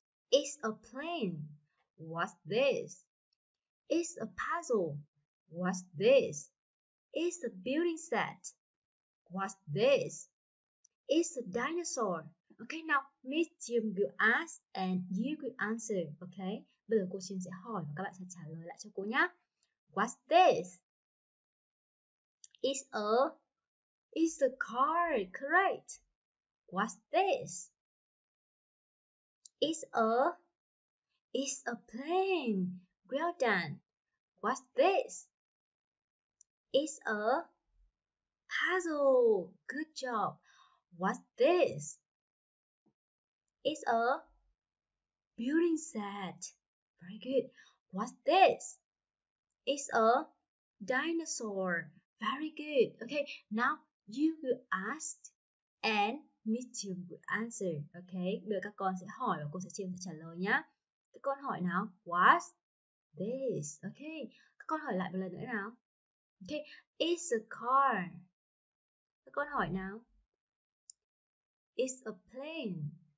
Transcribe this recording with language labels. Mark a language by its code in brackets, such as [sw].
[en] It's a plane. What's this? It's a puzzle. What's this? It's a building set. What's this? It's a dinosaur. Okay, now Miss Chiem will ask and you will answer. [vi] Okay, bây giờ cô Chiem sẽ hỏi và các bạn sẽ trả lời lại cho cô nhé. [en] What's this? It's a car. Correct. What's this? It's a plane. Well done. What's this? It's a puzzle. Good job. What's this? It's a building set. Very good. What's this? It's a dinosaur. Very good. Okay, now you will ask and Miss Chiem will answer. [vi] Okay, bây giờ các con sẽ hỏi và cô sẽ Chiem sẽ trả lời nhá. Các con hỏi nào? [en] What's this? Okay, [vi] các con hỏi lại một lần nữa nào. [en] Okay, it's a car. [vi] Các con hỏi nào? [en] It's a plane.